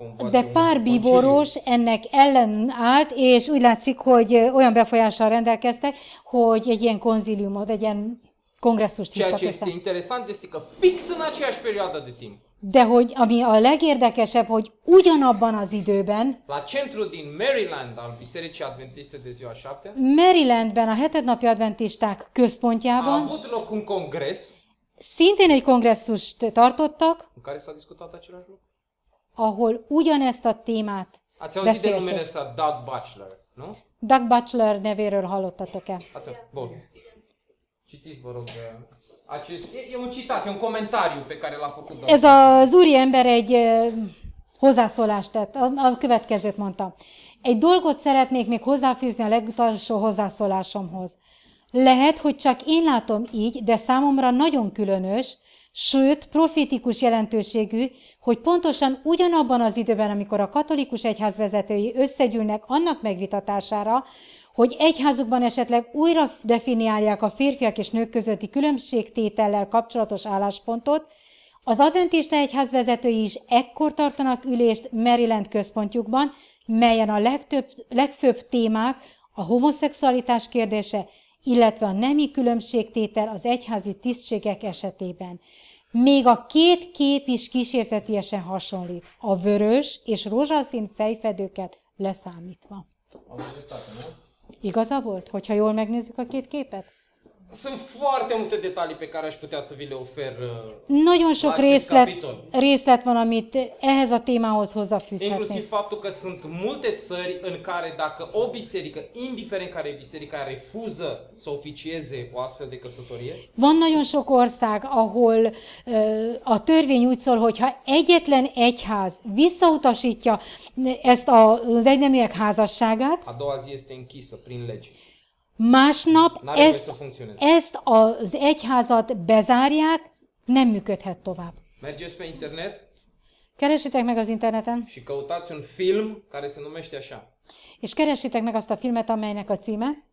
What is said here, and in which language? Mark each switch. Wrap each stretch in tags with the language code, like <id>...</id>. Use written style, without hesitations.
<hu>De pár bíboros ennek ellenállt, és úgy látszik, hogy olyan befolyással rendelkeztek, hogy egy ilyen konziliumot, egy ilyen kongresszust hívtak össze.</hu> <ro>Interesant este că fix în aceeași perioadă de timp.</ro> <hu>De hogy ami a legérdekesebb, hogy ugyanabban az időben,</hu> <ro>la centru din Maryland, al bisericii adventiste de ziua 7,</ro> <hu>Marylandben, a hetednapi adventisták központjában,</hu> <ro>a avut loc un congres,</ro> <hu>szintén egy kongresszust tartottak,</hu> <ro>în care s-a discutat același lucru,</ro> <hu>ahol ugyanezt a témát</hu> <ro>ați auzit</ro> <hu>beszélték.</hu> <ro>De numele ăsta Doug Butler, nu?</ro> <hu>Doug Butler nevéről hallottatok-e?</hu> <ro>Bun. Citiți, vă rog, e un citat, e un comentariu pe care l-a făcut Doamne.</ro> <hu>Ez az úri ember egy hozzászólást tett, a következőt mondta. Egy dolgot szeretnék még hozzáfűzni a legutolsó hozzászólásomhoz. Lehet, hogy csak én látom így, de számomra nagyon különös, sőt, profétikus jelentőségű, hogy pontosan ugyanabban az időben, amikor a katolikus egyházvezetői összegyűlnek annak megvitatására, hogy egyházukban esetleg újra definiálják a férfiak és nők közötti különbségtétellel kapcsolatos álláspontot, az adventista egyház vezetői is ekkor tartanak ülést Maryland központjukban, melyen a legfőbb témák a homoszexualitás kérdése, illetve a nemi különbségtétel az egyházi tisztségek esetében. Még a két kép is kísértetiesen hasonlít, a vörös és rózsaszín fejfedőket leszámítva. Igaza volt, hogyha jól megnézzük a két képet?</hu> <ro>Sunt foarte multe detalii pe care aș putea să vi le ofer.</ro> <hu>Nagyon sok részlet van, amit ehhez a témához hozzáfűzhetnék.</hu> <ro>Inclusiv faptul că sunt multe țări în care dacă o biserică, indiferent care biserica, refuză să oficieze o astfel de căsătorie.</ro> <hu>Van nagyon sok ország, ahol a törvény úgy szól, hogyha egyetlen egyház visszautasítja ezt az egyneműek házasságát.</hu> <ro>A doua zi este închisă prin lege.</ro> <hu>Másnap ezt az egyházat bezárják, nem működhet tovább.</hu> <ro>Mergeți pe internet?</ro> <hu>Keresitek meg az interneten.</hu> <ro>Și căutați un film care se numește așa.</ro> <hu>És keresitek meg azt a filmet, amelynek a címe?</hu>